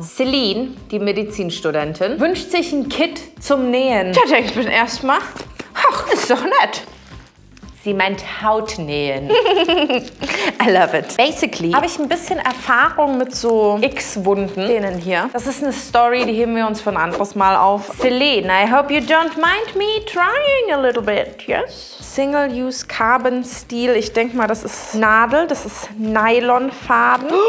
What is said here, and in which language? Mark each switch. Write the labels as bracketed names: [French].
[German] Celine, die Medizinstudentin, wünscht sich ein Kit zum Nähen. Da denke ich mir erstmal, ach, ist doch nett. Sie meint Hautnähen. [English] I love it. [German] Basically habe ich ein bisschen Erfahrung mit so X-Wunden. Denen hier. Das ist eine Story, die heben wir uns für ein anderes Mal auf. [English] Celine, I hope you don't mind me trying a little bit, yes? Single-Use Carbon Steel. [German] Ich denke mal, das ist Nadel, das ist Nylonfaden.